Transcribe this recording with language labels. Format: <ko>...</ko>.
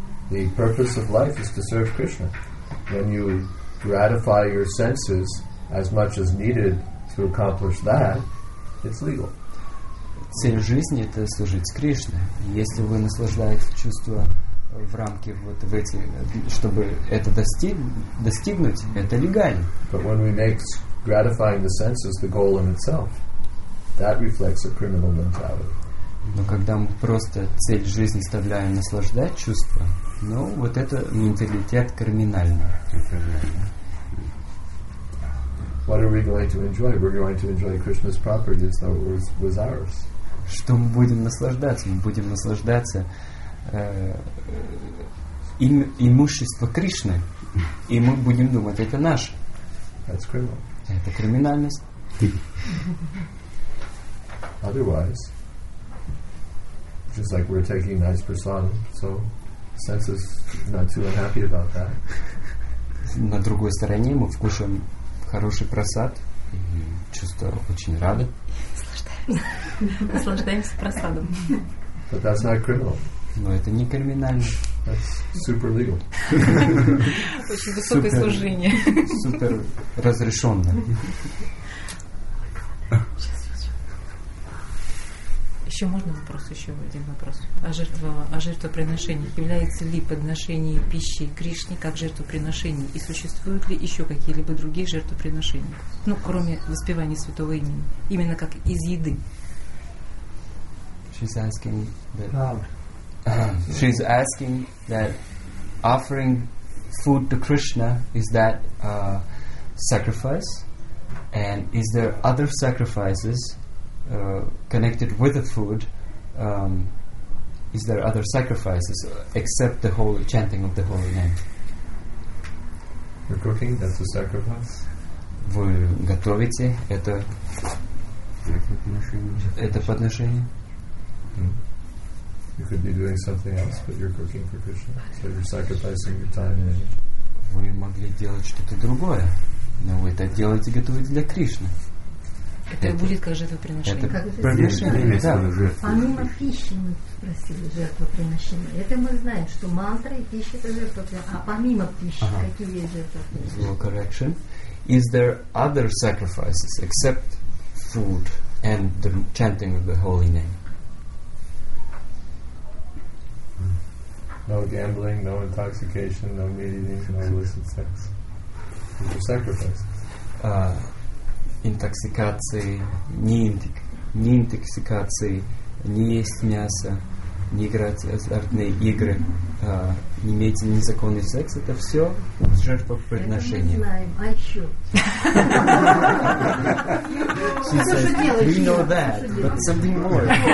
<en>The purpose of life is to serve Krishna. When you gratify your senses as much as needed to accomplish that, it's legal.</en> <ru>Цель жизни – это служить Кришне. Если вы наслаждаетесь чувством в рамки вот в эти, чтобы это достигнуть, это легально.</ru> <en>But when we make gratifying the senses the goal in itself, that reflects a criminal mentality.</en> <ru>Но когда мы просто цель жизни ставляем наслаждать чувства, ну, вот это менталитет криминальный.</ru> <en>What are we going to enjoy? We're going to enjoy Krishna's properties that was ours.</en> <ru>Что мы будем наслаждаться? Мы будем наслаждаться имуществом Кришны. И мы будем думать, это наше.</ru> <en>That's criminal.</en> <ru>Это криминальность.</ru> <en>Otherwise, just like we're taking nice prasadam, so senses not too unhappy about that.</en> <ru>На другой стороне мы вкушаем хороший просад, и чувство очень рады. Наслаждаемся просадом.</ru> <en>But that's not criminal.</en> <ru>Но это не криминально.</ru> <en>That's super legal.</en> <ru>Очень высокое super, служение. Супер разрешенно. Еще можно вопрос, еще один вопрос. О жертвоприношении. Является ли подношение пищи Кришне как жертвоприношение? И существуют ли еще какие-либо другие жертвоприношения? Ну, кроме воспевания святого имени. Именно как из еды.</ru> <en>She's asking that, she's asking that offering food to Krishna, is that sacrifice? And is there other sacrifices connected with the food, is there other sacrifices except the holy chanting of the holy name? You're cooking, that's a sacrifice.</en> <ru>Вы готовите, это подношение. Это подношение.</ru> <en>You could be doing something else, but you're cooking for Krishna, so you're sacrificing your time and energy.</en> <ru>Вы могли делать что-то другое, но вы это делаете, готовите для Кришны. Это будет как жертвоприношение. Это жертвоприношение, да. Помимо пищи, мы спросили, жертвоприношение. Это мы знаем, что мантра и пища – это жертвоприношение. А помимо пищи, какие есть жертвоприношения?</ru> <en>Little correction. Is there other sacrifices except food and the chanting of the holy name? No gambling, no intoxication, no meat-eating, no illicit sex. These are sacrifices.</en> <ru>Интоксикации, не интоксикации, не есть мясо, не играть в азартные игры, не иметь незаконный секс – это все жертвоприношение. Это мы знаем, а еще?</ru> <en>She says, we know that, but something more.</en>